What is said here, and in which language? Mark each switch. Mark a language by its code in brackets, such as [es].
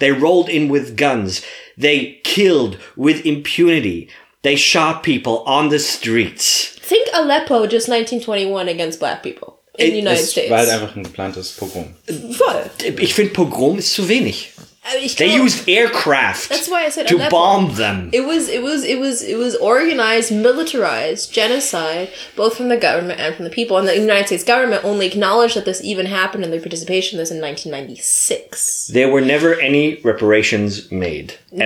[en] They rolled in with guns. They killed with impunity. They shot people on the streets. Think Aleppo just 1921 against black people. in the United States. [de] Weil einfach ein geplantes Pogrom. Voll. Ich finde Pogrom ist zu wenig. [en] They used aircraft. That's why I said to Aleppo. Bomb them. It was organized, militarized genocide, both from the government and from the people. And the United States government only acknowledged that this even happened and their participation in this in 1996. There were never any reparations made. Ever.